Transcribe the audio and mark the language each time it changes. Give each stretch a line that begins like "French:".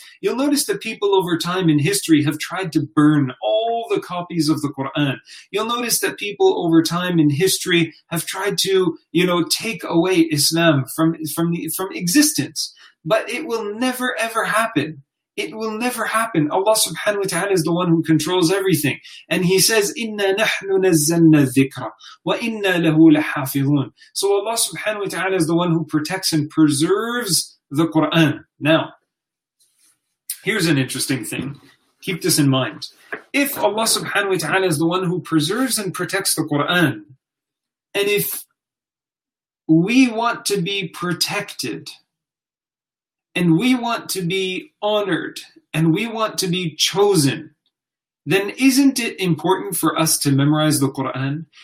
English: You'll notice that people over time in history have tried to burn all the copies of the Qur'an. You'll notice that people over time in history have tried to, you know, take away Islam from existence. But it will never ever happen. It will never happen. Allah subhanahu wa ta'ala is the one who controls everything. And he says,
Arabic: إِنَّا نَحْنُ نَزَّلْنَا الذِّكْرَ وَإِنَّا لَهُ لَحَافِظُونَ.
English: So Allah subhanahu wa ta'ala is the one who protects and preserves the Qur'an. Now, here's an interesting thing. Keep this in mind. If Allah subhanahu wa ta'ala is the one who preserves and protects the Qur'an, and if we want to be protected, and we want to be honored, and we want to be chosen, then isn't it important for us to memorize the Qur'an?